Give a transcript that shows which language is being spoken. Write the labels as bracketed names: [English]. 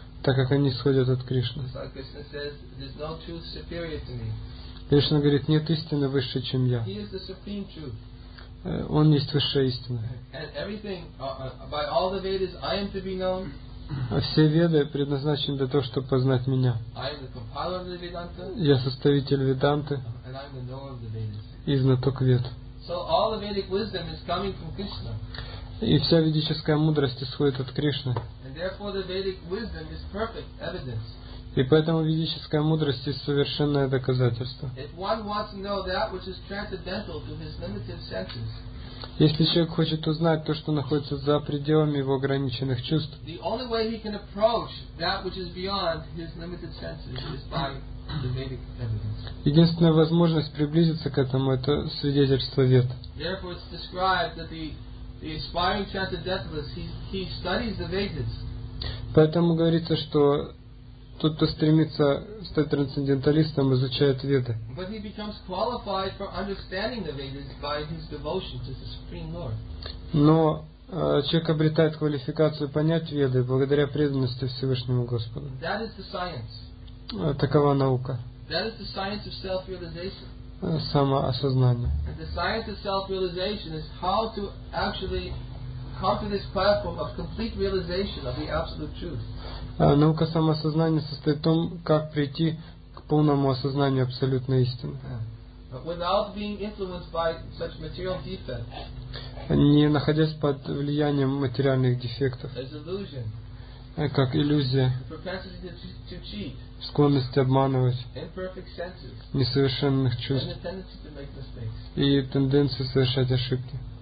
[Russian] Так как они исходят от Кришны. [English] Just like Krishna says, there's no truth superior to me. [Russian] Кришна говорит, нет истины выше, чем я. [English] He is the supreme truth. [Russian] Он есть высшая истина. [English] And everything by all the Vedas, I am to be known. [Russian] Все Веды предназначены для того, чтобы познать меня. [English] I am the compiler of the Vedanta. [Russian] Я составитель Веданты. [English] And I am the knower of the Vedas. [Russian] И знаток Вед. [English] So all the Vedic wisdom is coming from Krishna. [Russian] И вся ведическая мудрость исходит от Кришны. [English] And therefore the Vedic wisdom is perfect evidence. [Russian] И поэтому ведическая мудрость есть совершенное доказательство. [English] If one wants to know that which is transcendental to his limited senses. [Russian] Если человек хочет узнать то, что находится за пределами его ограниченных чувств, [English] the only way he can approach that which is beyond his limited senses is by the Vedic evidence. [Russian] Единственная возможность приблизиться к этому — это свидетельство Вед. [English] Therefore, it's described that the the aspiring transcendentalist, he studies the Vedas. [Russian] Поэтому говорится, что тот, кто стремится стать трансценденталистом, изучает Веды. [English] But he becomes qualified for understanding the Vedas by his devotion to the Supreme Lord. [Russian] Но человек обретает квалификацию понять Веды благодаря преданности Всевышнему Господу. [English] That is the science. [Russian] Такова наука. [English] That is the science of self-realization. [Russian] Самоосознание. [English] And the science of self-realization is how to actually come to this platform of complete realization of the absolute truth. [Russian] Наука самоосознания состоит в том, как прийти к полному осознанию абсолютной истины. [English] But without being influenced by such material defects. [Russian] Не находясь под влиянием материальных дефектов. [English] As illusion. [Russian] Как иллюзия. [English] The propensity to cheat. [Russian] Склонность обманывать, несовершенных чувств и тенденции совершать ошибки.